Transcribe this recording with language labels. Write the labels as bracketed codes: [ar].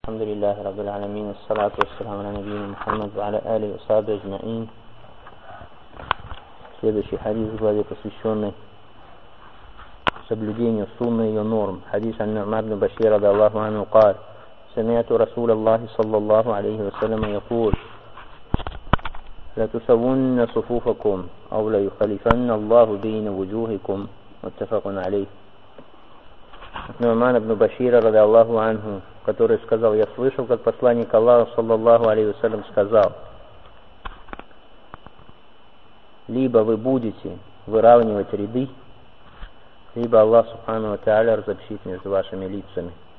[ar] الحمد لله رب العالمين، الصلاة والسلام على نبينا محمد وعلى آله وصحبه أجمعين. [ru] следующий حديث главе посвященный соблюдению сунны и норм. [ar] حديث عن نعمان بن بشير رضي الله عنه قال: سمعت رسول الله صلى الله عليه وسلم يقول: لا تسوون صفوفكم أو لا يخلفن الله بين وجوهكم. متفق عليه. نعمان بن بشير رضي الله عنه [ru] который сказал: я слышал, как посланник Аллаха, саллаллаху алейхи ва саллям, сказал: либо вы будете выравнивать ряды, либо Аллах субхану ва тааля разобщит между вашими лицами.